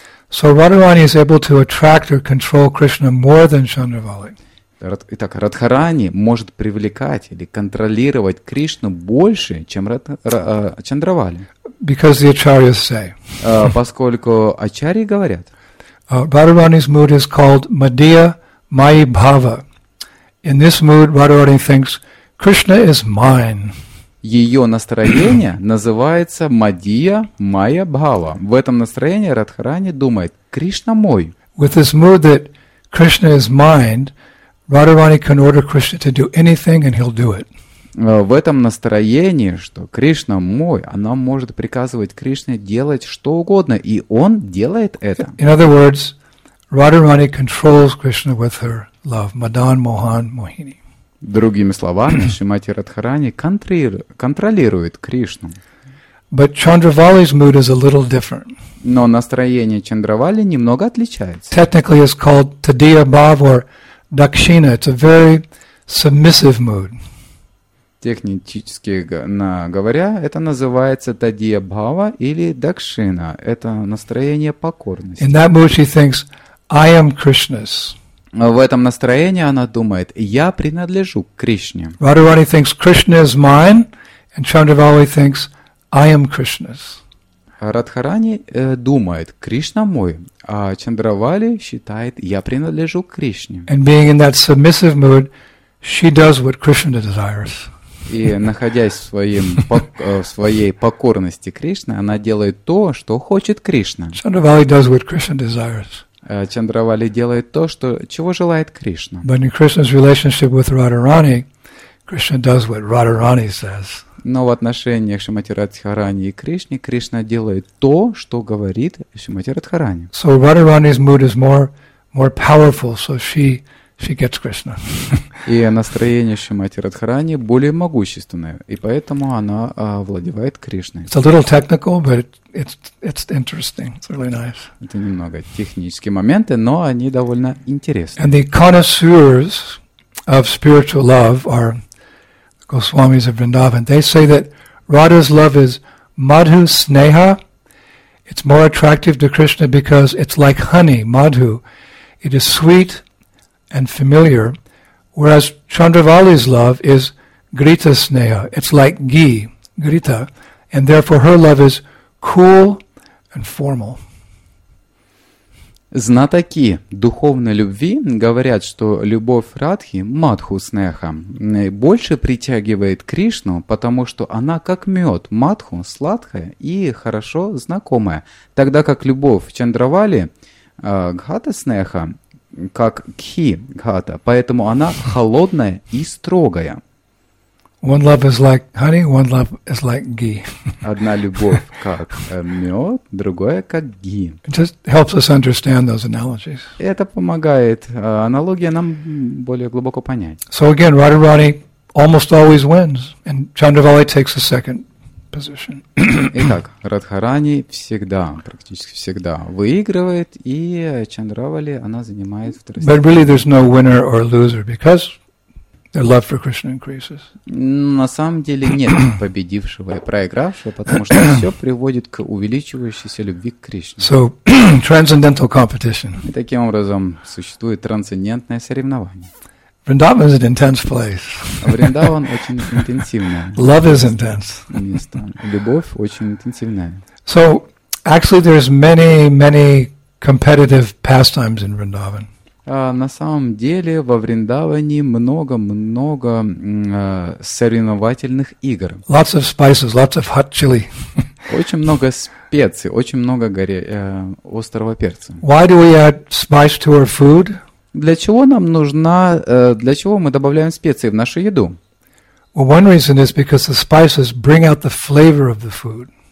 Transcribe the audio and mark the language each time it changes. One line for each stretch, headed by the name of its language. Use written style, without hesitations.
English: So Radharani is able to attract or control Krishna more than Chandravali.
Russian: Итак, Радхарани может привлекать или контролировать Кришну больше, чем Чандравали.
English: Because the Acharyas say.
Russian: Поскольку Ачарьи говорят.
English: Radharani's mood is called Madhya Mai Bhava. In this mood, Radharani thinks Krishna is mine.
Russian: Ее настроение называется Мадия Майя Бхава. В этом настроении Радхарани думает: Кришна мой.
English: With this mood that Krishna is mine, Radharani can order Krishna to do anything, and he'll do it.
Russian: В этом настроении, что Кришна мой, она может приказывать Кришне делать что угодно, и он делает это.
English: In other words, Radharani controls Krishna with her love, Madan Mohan Mohini.
Russian: Другими словами, Шримати Радхарани контролирует Кришну.
English: But Chandravali's mood is a little different.
Russian: Но настроение Чандравали немного отличается.
English: Technically it's called Tadiya Bhava or Dakshina. It's a very submissive mood.
Russian: Технически говоря, это называется Tadiya Bhava или Dakshina. Это настроение покорности.
English: In that mood she thinks, I am Krishna's.
Russian: В этом настроении она думает: я принадлежу Кришне.
English: Radharani thinks Krishna is mine, and Chandravali thinks I am Krishna's.
Russian: Радхарани думает: Кришна мой, а Чандравали считает: я принадлежу Кришне.
English: And being in that submissive mood, she does what Krishna desires.
Russian: И находясь в своей покорности Кришне, она делает то, что хочет Кришна.
English: Chandravali does what Krishna desires.
Russian: Чандравали делает то, что, чего желает Кришна.
English: But in Krishna's relationship with Radharani, Krishna does what Radharani says.
Russian: Но в отношениях Шримати Радхарани и Кришны, Кришна делает то, что говорит Шримати Радхарани.
English: So Radharani's mood is more powerful, so she gets Krishna.
Russian: И настроение Шримати Радхарани более могущественное, и поэтому она владеет Кришной.
English: It's a little technical, but it's interesting. It's really nice.
Russian: Это немного технические моменты, но они довольно интересны.
English: And the connoisseurs of spiritual love are Goswamis of Vrindavan. They say that Radha's love is madhu sneha. It's more attractive to Krishna because it's like honey, madhu. It is sweet and familiar, whereas Chandravali's love is grita sneha. It's like ghee, grita, and therefore her love is cool, and formal.
Russian: Знатоки духовной любви говорят, что любовь Радхи, Мадху Снеха, больше притягивает Кришну, потому что она как мед, Мадху, сладкая и хорошо знакомая. Тогда как любовь Чандравали, Гхата Снеха, как Кхи Гхата, поэтому она холодная и строгая.
English: One love is like honey, one love is like ghee.
Russian: Одна любовь как мед, другая как ги.
English: It just helps us understand those analogies.
Russian: Это помогает аналогия нам более глубоко понять.
English: So again, Radharani almost always wins, and Chandravali takes a second position.
Russian: Итак, Радхарани всегда, практически всегда выигрывает, и Чандравали она занимает второе.
English: But really, there's no winner or loser because their love for Krishna increases.
Russian: На самом деле нет победившего и проигравшего, потому что все приводит к увеличивающейся любви к Кришне.
English: So, transcendental competition.
Russian: И таким образом существует трансцендентное соревнование.
English: Vrindavan is an intense place.
Russian: Вриндаван очень интенсивное.
English: Love is intense.
Russian: Любовь очень интенсивная.
English: So, actually, there's many, many competitive pastimes in Vrindavan.
Russian: На самом деле во Вриндаване много-много соревновательных игр.
English: Lots of spices, lots of hot chili.
Russian: Очень много специй, очень много острого перца.
English: Why do we add spice to our food?
Russian: Для чего нам нужна, для чего мы добавляем специи в нашу еду?
English: Well, one reason is because the spices bring out the flavor of the food.